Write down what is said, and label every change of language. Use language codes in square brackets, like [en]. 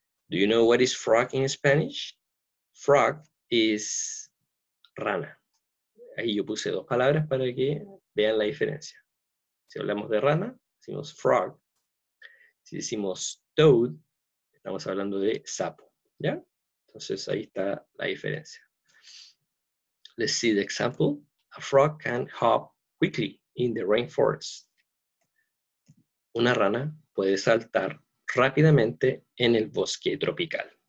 [en] Do you know what is frog in Spanish? Frog is rana. [es] Ahí yo puse dos palabras para que vean la diferencia. Si hablamos de rana, decimos frog. Si decimos toad, estamos hablando de sapo. ¿Ya? Entonces ahí está la diferencia. [en] Let's see the example. A frog can hop quickly in the rainforest. [es] Una rana puede saltar rápidamente en el bosque tropical.